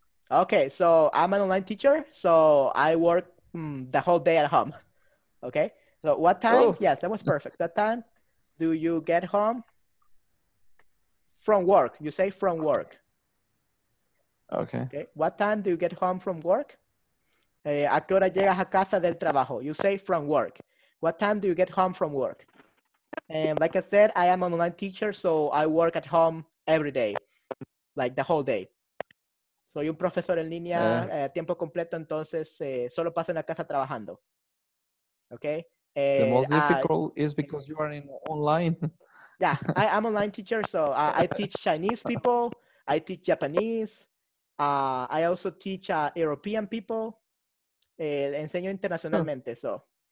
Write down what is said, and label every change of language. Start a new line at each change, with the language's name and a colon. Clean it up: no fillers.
English: Okay, so I'm an online teacher, so I work the whole day at home. Okay, so what time? Oh. Yes, that was perfect. What time do you get home from work? You say from work. Okay. Okay, what time do you get home from work?
Spanish: ¿A qué hora llegas a casa del trabajo?
English: You say from work. What time do you get home from work? And like I said, I am an online teacher, so I work at home every day, like the whole day.
Spanish: Soy un profesor en línea tiempo completo, entonces solo paso en la casa trabajando.
English: Okay. The most difficult is because you are in online. Yeah, I am an online teacher, so I teach Chinese people, I teach Japanese, I also teach European people,
Spanish: enseño internacionalmente,
English: so.